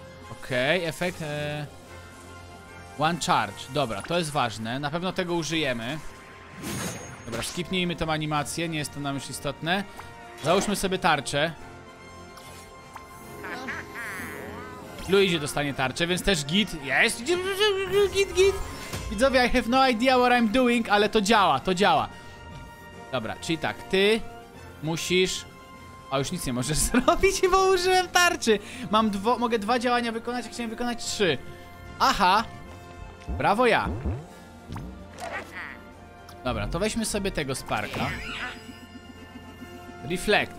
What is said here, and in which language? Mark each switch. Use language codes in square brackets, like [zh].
[pl] Okej, efekt... One charge. Dobra, to jest ważne. Na pewno tego użyjemy. Dobra, skipnijmy tą animację. Nie jest to nam już istotne. Załóżmy sobie tarczę. Luigi dostanie tarczę, więc też git. Jest! Git. Widzowie, [en] I have no idea what I'm doing, [pl] ale to działa. Dobra, czyli tak. Ty musisz... A już nic nie możesz zrobić, bo użyłem tarczy. Mogę dwa działania wykonać, a chciałem wykonać trzy. Aha. Brawo ja. Dobra, to weźmy sobie tego Sparka. Reflect.